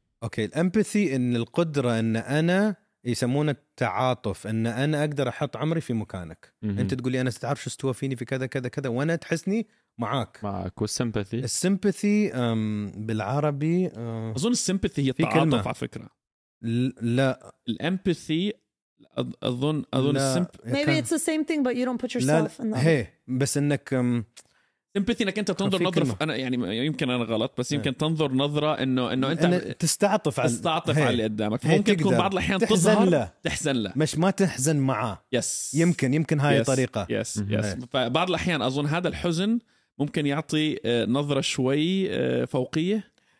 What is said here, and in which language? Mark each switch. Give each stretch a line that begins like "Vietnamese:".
Arabic: أوكي الامباثي إن القدرة إن أنا يسمونه التعاطف، إن أنا أقدر أحط عمري في مكانك. أنت تقولي أنا ستعرف شو استوى فيني في كذا كذا كذا وأنا تحسني معاك. والسيمباثي السيمباثي بالعربي أظن السيمباثي هي تعاطف كلمة. على فكرة لا الامباثي أظن
English: maybe it's the same thing but you don't put yourself in the hey
Arabic: بس إنك سمبثي انك انت تنظر نظره انا يعني يمكن انا غلط بس يمكن تنظر نظره انه انت تستعطف على اللي قدامك ممكن تكون بعض الاحيان تحزن له مش ما تحزن معاه
English: يس
Arabic: يمكن هاي طريقه يس بعض الاحيان اظن هذا الحزن ممكن يعطي نظره شوي فوقيه